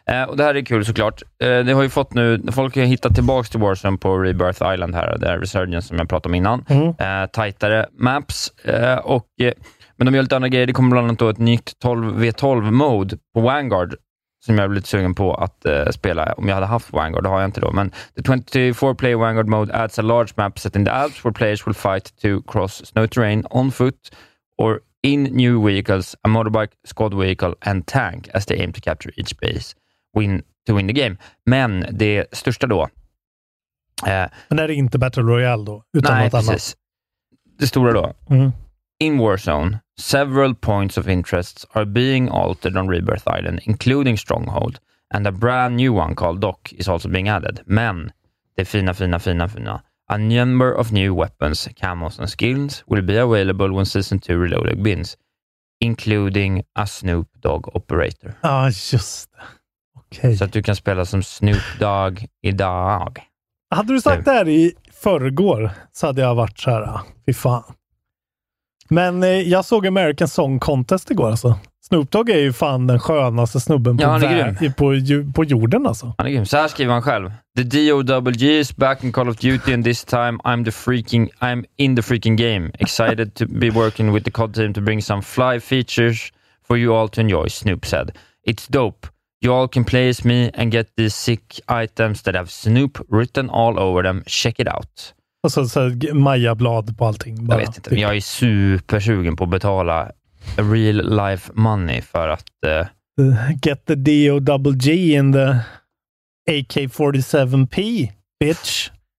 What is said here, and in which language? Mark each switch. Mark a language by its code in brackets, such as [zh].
[sv] Och det här är kul såklart. Det har ju fått nu, folk har hittat tillbaka till Warzone på Rebirth Island här. Det är Resurgence som jag pratade om innan. Tajtare maps. Men de gör lite andra grejer. Det kommer bland annat då ett nytt 12v12-mode på Vanguard. Som jag blev lite sugen på att spela. Om jag hade haft Vanguard, det har jag inte då. Men [en] the 24-player Vanguard mode adds a large map set in the Alps where players will fight to cross snow terrain on foot or in new vehicles, a motorbike, squad vehicle and tank as they aim to capture each base to win the game. [sv] Men det största då... Men är det inte Battle Royale då? Utan nej, något precis. Annat? Det stora då. [en] In Warzone, several points of interest are being altered on Rebirth Island, including Stronghold, and a brand new one called Dock is also being added. [sv] Men, det fina, [en] a number of new weapons, camos and skills will be available when Season 2 Reloaded begins, including a Snoop Dogg operator. [sv] Ah, just det. Okay. Så att du kan spela som Snoop Dogg idag. Hade du sagt det här i förrgår så hade jag varit så här, fy fan. Men jag såg American Song Contest igår alltså. Snoop Dogg är ju fan den skönaste snubben på, på jorden alltså. Han är grym. Så här skriver han själv. [en] The DOWG is back in Call of Duty and this time I'm in the freaking game. Excited to be working with the COD team to bring some fly features for you all to enjoy, Snoop said. It's dope. You all can play as me and get these sick items that have Snoop written all over them. Check it out. [sv] Och så Maja blad på allting. Bara, jag vet inte, men jag är supersugen på att betala [en] real life money [sv] för att... [en] get the DOWG in the AK-47P, bitch.